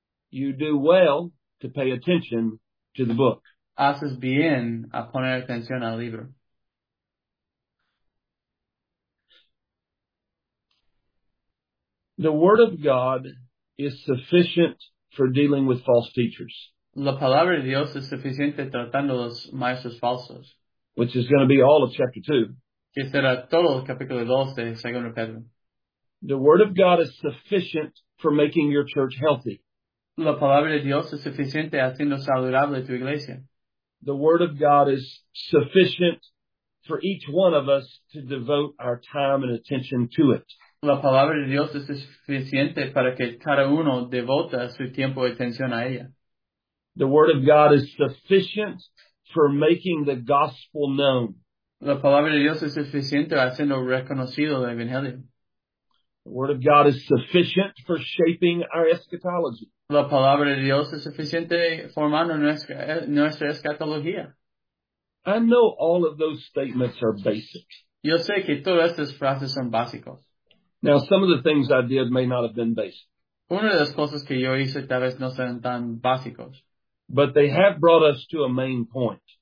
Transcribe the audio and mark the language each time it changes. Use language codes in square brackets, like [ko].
[en] You do well to pay attention to the book. [es] Haces bien a poner atención al libro. [en] The word of God is sufficient for dealing with false teachers. [es] La palabra de Dios es suficiente tratando los maestros falsos. [en] Which is going to be all of chapter 2. [es] Que será todo el capítulo 2 de 2 Pedro. [en] The word of God is sufficient for making your church healthy. [es] La palabra de Dios es suficiente haciendo saludable tu iglesia. [en] The word of God is sufficient for each one of us to devote our time and attention to it. [es] La palabra de Dios es suficiente para que cada uno devote su tiempo y atención a ella. [en] The word of God is sufficient for making the gospel known. [es] La palabra de Dios es suficiente haciendo reconocido el evangelio. [en] The word of God is sufficient for shaping our eschatology. [es] La palabra de Dios es suficiente formando nuestra escatología. [en] I know all of those statements are basic. [es] Yo sé que todas estas frases son básicas. [en] Now, some of the things I did may not have been basic. [es] Una de las cosas que yo hice tal vez no sean tan básicos. [en] But they have brought us to a main point.